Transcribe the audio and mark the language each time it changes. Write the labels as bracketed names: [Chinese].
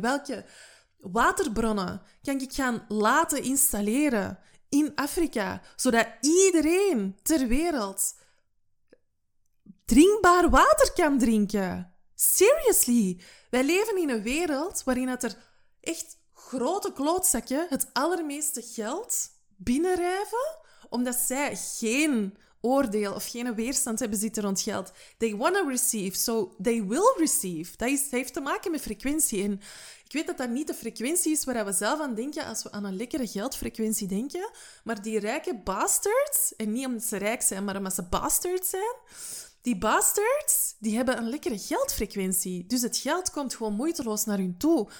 [Dutch] Welke waterbronnen kan ik gaan laten installeren in Afrika, zodat iedereen ter wereld drinkbaar water kan drinken. [English] Seriously, [Dutch] wij leven in een wereld waarin het er echt grote klootzakken het allermeeste geld binnenrijven, omdat zij geen oordeel of geen weerstand hebben zitten rond geld. [English] They want to receive, so they will receive. [Dutch] Dat heeft te maken met frequentie. En ik weet dat dat niet de frequentie is waar we zelf aan denken als we aan een lekkere geldfrequentie denken. Maar die rijke bastards, en niet omdat ze rijk zijn, maar omdat ze bastards zijn. Die bastards, die hebben een lekkere geldfrequentie. Dus het geld komt gewoon moeiteloos naar hun toe.